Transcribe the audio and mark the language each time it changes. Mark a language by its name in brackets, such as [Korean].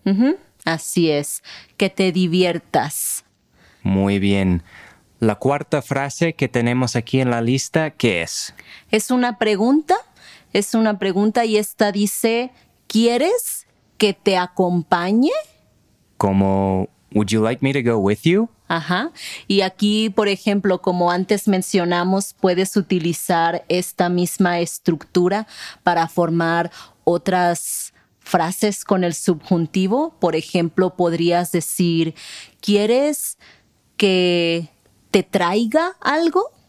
[Spanish] Uh-huh. Así es, que te diviertas. Muy bien. La cuarta frase que tenemos aquí en la lista, ¿qué es? Es una pregunta y esta dice, ¿quieres que te acompañe? Como, [English] ¿would you like me to go with you? [Spanish] Ajá. Y aquí, por ejemplo, como antes mencionamos, puedes utilizar esta misma estructura para formar otras frases con el subjuntivo. Por ejemplo, podrías decir, ¿quieres que te traiga algo?